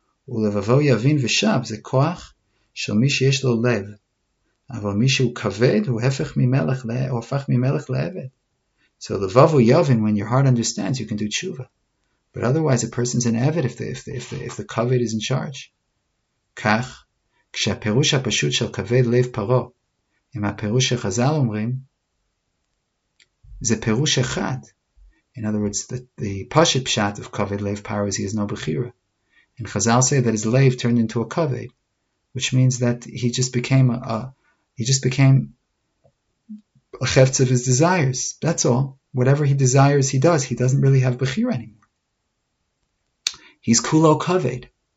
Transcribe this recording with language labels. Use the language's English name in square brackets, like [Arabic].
[Hebrew] ולבבו יבין ושב, זה כוח של מי שיש לו לב. אבל מי שהוא כבד, הוא הפך ממלך, הוא הפך ממלך לעבד. [English] So [Hebrew] לבבו יבין, [English] when your heart understands, you can do תשובה. But otherwise, a person's an עבד if the כבד is in charge. [Hebrew] כך, כשהפירוש הפשוט של כבד לב פרו, עם הפירוש שחזל אומרים, זה פירוש אחד. [English] In other words, the פשוט פשט of [Hebrew] כבד לב פרו [English] is he has no בחירה. And Chazal say that his lev turned into a kaved, which means that he just became a cheftz of his desires. That's all. Whatever he desires, he does. He doesn't really have bechir anymore. He's [Hebrew] kulo kaved.